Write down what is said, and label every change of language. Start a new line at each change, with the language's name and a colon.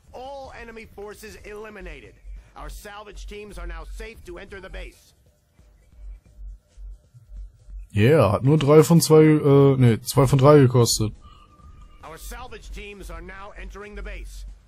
English: All enemy forces eliminated. Our salvage teams are now safe to enter the base.
German: Yeah, hat nur 2 von 3 gekostet.
English: Our salvage teams are now entering the base.